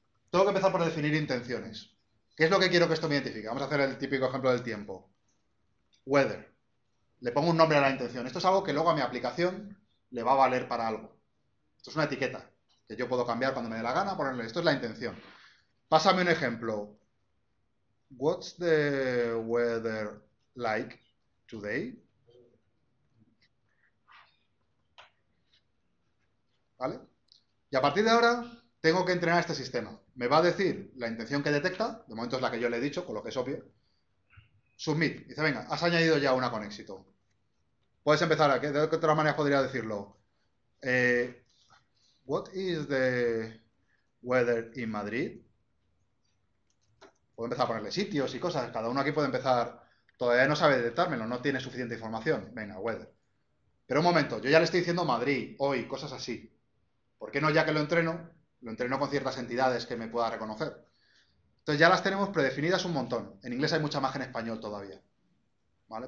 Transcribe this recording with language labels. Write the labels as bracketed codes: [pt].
[es] Tengo que empezar por definir intenciones. ¿Qué es lo que quiero que esto me identifique? Vamos a hacer el típico ejemplo del tiempo. Weather. Le pongo un nombre a la intención. Esto es algo que luego a mi aplicación le va a valer para algo. Esto es una etiqueta que yo puedo cambiar cuando me dé la gana, ponerle esto es la intención. Pásame un ejemplo. [en] What's the weather like today? [es] ¿Vale? Y a partir de ahora tengo que entrenar este sistema. Me va a decir la intención que detecta, de momento es la que yo le he dicho, con lo que es obvio. Submit. Dice, venga, has añadido ya una con éxito. Puedes empezar aquí. ¿De qué otra manera podría decirlo? [en] What is the weather in Madrid? [es] Puedo empezar a ponerle sitios y cosas. Cada uno aquí puede empezar. Todavía no sabe detectármelo, no tiene suficiente información. Venga, weather. Pero un momento, yo ya le estoy diciendo Madrid, hoy, cosas así. ¿Por qué no ya que lo entreno con ciertas entidades que me pueda reconocer? Entonces ya las tenemos predefinidas un montón. En inglés hay mucha más que en español todavía. ¿Vale?